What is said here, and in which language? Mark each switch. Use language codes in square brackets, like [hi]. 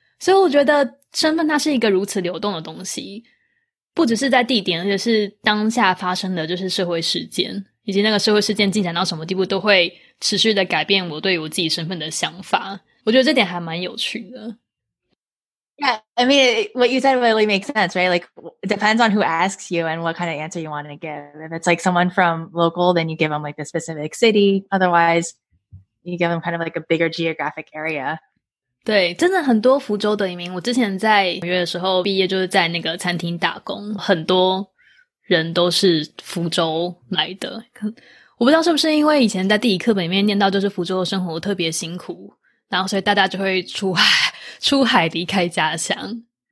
[zh] 所以我觉得身份它是一个如此流动的东西，不只是在地点，而且是当下发生的就是社会事件，以及那个社会事件进展到什么地步，都会持续的改变我对于我自己身份的想法。我觉得这点还蛮有趣的。 [en] Yeah, I mean, what you said really makes sense, right? Like, it depends on who asks you and what kind of answer you want to give. If it's like someone from local, then you give them like a specific city. Otherwise, you give them kind of like a bigger geographic area. [zh] 对，真的很多福州的移民，我之前在纽约的时候毕业就是在那个餐厅打工，很多人都是福州来的。我不知道是不是因为以前在地理课本里面念到就是福州的生活特别辛苦，然后所以大家就会出海离开家乡。